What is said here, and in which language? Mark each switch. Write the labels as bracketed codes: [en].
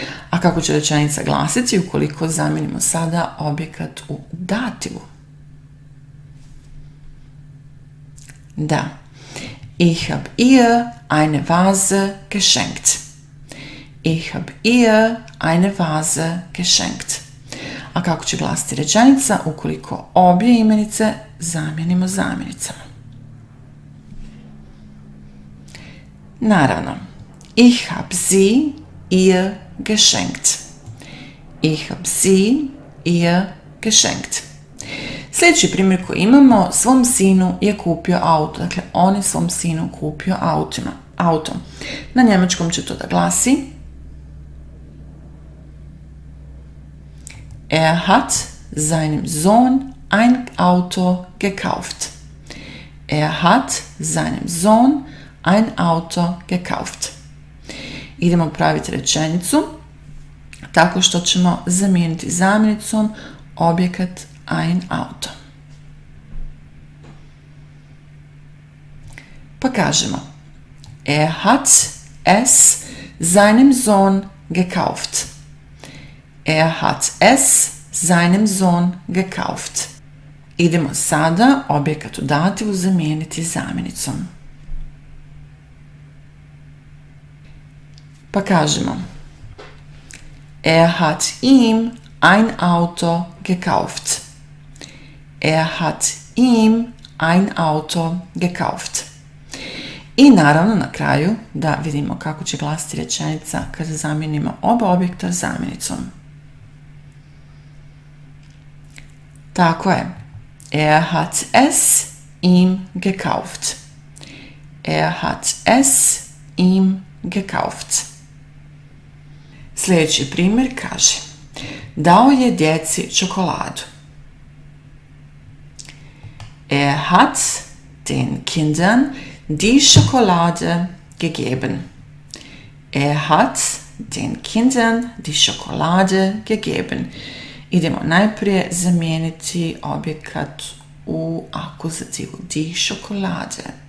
[bs] A kako će rečenica glasiti ukoliko zamijenimo sada objekat u dativu? [de] Da. Ich hab ihr eine Vase geschenkt. Ich hab ihr eine Vase geschenkt. [bs] A kako će glasiti rečenica ukoliko obje imenice zamijenimo zamjenicama? Naravno. [de] Ich hab sie ihr geschenkt. Ich hab sie ihr geschenkt. [bs] Sljedeći primjer koji imamo: svom sinu je kupio auto. Dakle, on je svom sinu kupio auto. Na njemačkom će to da glasi: [de] er hat seinem Sohn ein Auto gekauft. Er hat seinem Sohn ein Auto gekauft. [bs] Idemo praviti rečenicu tako što ćemo zamijeniti zamjenicom objekat [de] ein Auto. [bs] pa kažemo [de] Er hat es seinem Sohn gekauft. Er hat es seinem Sohn gekauft. [bs] Idemo sada objekat u dativu zamijeniti zamjenicom. Pa kažemo [de] Er hat ihm ein Auto gekauft. Er hat ihm ein Auto gekauft. [bs] I naravno na kraju da vidimo kako će glasiti rečenica kada zamijenimo oba objekta zamjenicom. Tako je. [de] Er hat es ihm gekauft. Er hat es ihm gekauft. [bs] Sljedeći primjer kaže Dao je djeci čokoladu. [de] Er hat den Kindern die Schokolade gegeben. Er hat den Kindern die Schokolade gegeben. [bs] Idemo najprije zamijeniti objekat u akuzativu [de] die Schokolade.